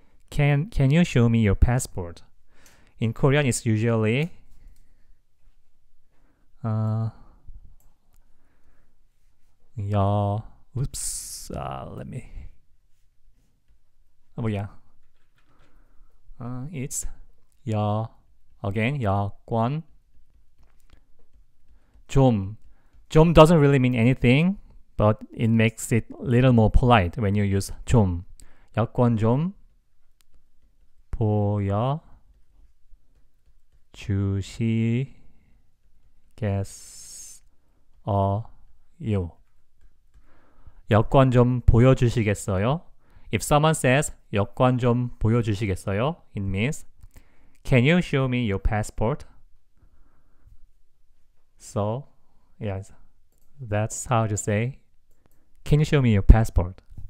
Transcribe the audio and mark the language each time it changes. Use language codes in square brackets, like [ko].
[en] Can you show me your passport? In Korean, it's usually, it's 여, again, 여권. [ko] 좀. [en] 좀 doesn't really mean anything, but it makes it a little more polite when you use 좀. [ko] 여권 좀 보여 주시겠어요? 여권 좀 보여주시겠어요? [en] If someone says [ko] 여권 좀 보여주시겠어요? [en] It means, can you show me your passport? So, yes. That's how to say, can you show me your passport?